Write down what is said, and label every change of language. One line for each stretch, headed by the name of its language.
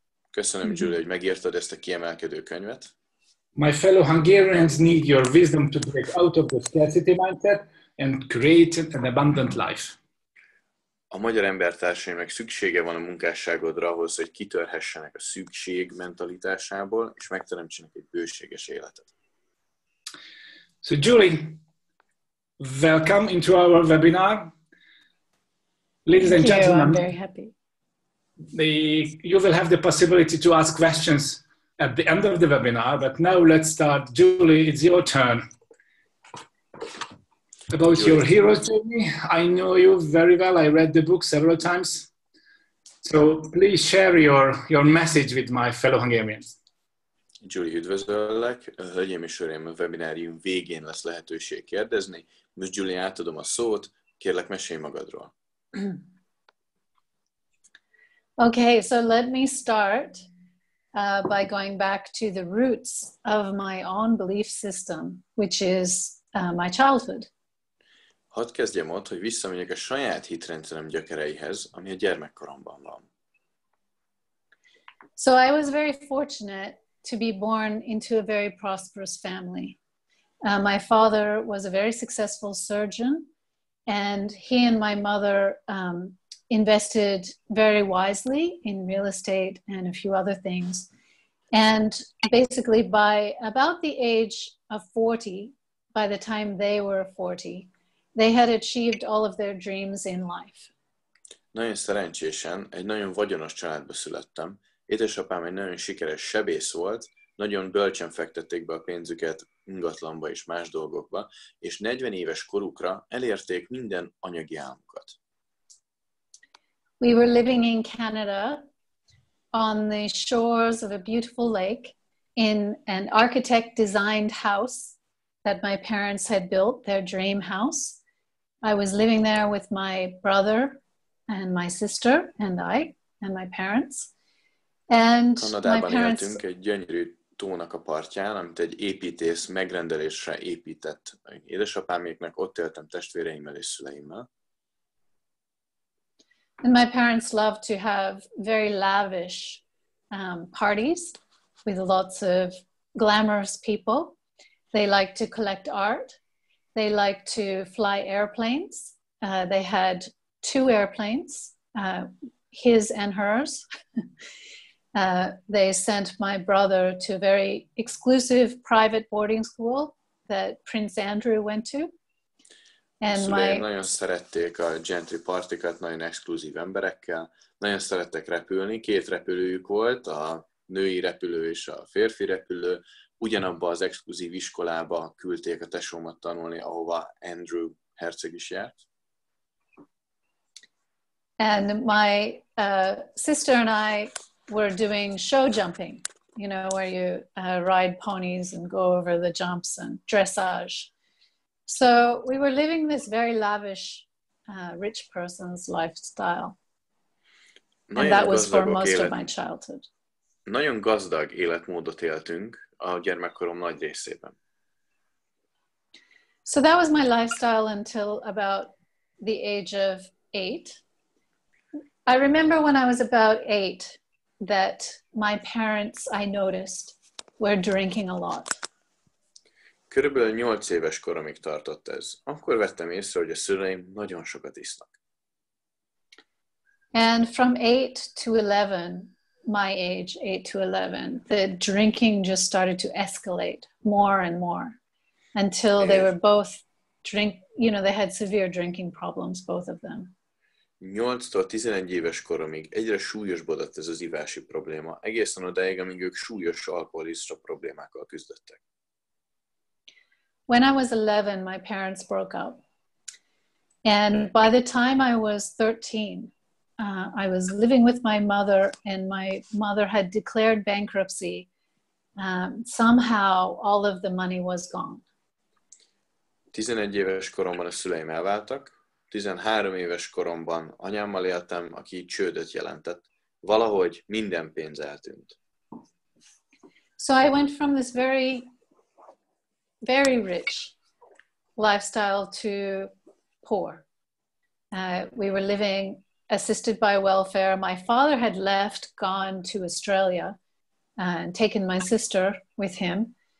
Hungarian: Köszönöm, Julie, hogy megírtad ezt a kiemelkedő könyvet.
English: My fellow Hungarians need your wisdom to break out of the scarcity mindset and create an abundant life.
Hungarian: A magyar embertársaimnak szüksége van a munkásságodra ahhoz, hogy kitörhessenek a szükség mentalitásából, és megteremtsenek egy bőséges életet.
English: So Julie, welcome into our webinar. Ladies and gentlemen, I'm very happy. You will have the possibility to ask questions at the end of the webinar, but now let's start. Julie, it's your turn. About Julie, your hero journey, I know you very well. I read the book several times. So please share your message with my fellow Hungarians.
Hungarian: Julie, üdvözöllek. Hölgyeim és uraim, a webinárium végén lesz lehetőség kérdezni. Most Julie, átadom a szót. Kérlek, mesélj magadról.
English: Okay, so let me start by going back to the roots of my own belief system, which is my childhood.
Hungarian: Hadd kezdjem ott, hogy visszamegyek a saját hitrendszerem gyökereihez, ami a gyermekkoromban van.
English: So I was very fortunate to be born into a very prosperous family. My father was a very successful surgeon, and he and my mother invested very wisely in real estate and a few other things. And basically by about the age of 40, by the time they were 40, they had achieved all of their dreams in life.
Hungarian: Nagyon szerencsésen egy nagyon vagyonos családba születtem. Édesapám egy nagyon sikeres sebész volt, nagyon bölcsen fektették be a pénzüket ingatlanba és más dolgokba, és 40 éves korukra elérték minden anyagi álmukat.
English: We were living in Canada on the shores of a beautiful lake in an architect-designed house that my parents had built, their dream house. I was living there with my brother and my sister and I and my parents. And
Hungarian: Kanadában
English: my parents
Hungarian: éltünk egy gyönyörű tónak a partján, amit egy építész megrendelésre épített édesapáméknek, ott éltem testvéreimmel és szüleimmel.
English: And my parents loved to have very lavish parties with lots of glamorous people. They liked to collect art. They liked to fly airplanes. They had two airplanes, his and hers. They sent my brother to a very exclusive private boarding school that Prince Andrew went to. And my
Hungarian: nagyon szerették a gentry partikat, nagyon exkluzív emberekkel. Nagyon szerettek repülni. Két repülőjük volt, a női repülő és a férfi repülő. Ugyanabba az exkluzív iskolába küldték a tesómat tanulni, ahova Andrew herceg is járt.
English: And my sister and I were doing show jumping, you know, where you ride ponies and go over the jumps and dressage. So we were living this very lavish, rich person's lifestyle. And that was for most of my childhood.
Hungarian: Nagyon gazdag életmódot éltünk a gyermekkorom nagy részében.
English: So that was my lifestyle until about the age of 8. I remember when I was about 8 that my parents, I noticed, were drinking a lot.
Hungarian: Körülbelül 8 éves koromig tartott ez. Akkor vettem észre, hogy a szüleim nagyon sokat isznak.
English: And from 8 to 11, my age, 8 to 11, the drinking just started to escalate more and more until they were both drink, you know, they had severe drinking problems, both of them.
Hungarian: 8-tól 11 éves koromig egyre súlyosbodott ez az ivási probléma, egészen odáig, amíg ők súlyos alkoholista problémákkal küzdöttek.
English: When I was 11, my parents broke up. And by the time I was 13, I was living with my mother, and my mother had declared bankruptcy. Somehow, all of the money was gone.
Hungarian: 11 éves koromban a szüleim elváltak. 13 éves koromban anyámmal éltem, aki csődöt jelentett. Valahogy minden pénz eltűnt.
English: So I went from this very, very rich lifestyle to poor. We were living assisted by welfare. My father had left, gone to Australia, and taken my sister with him.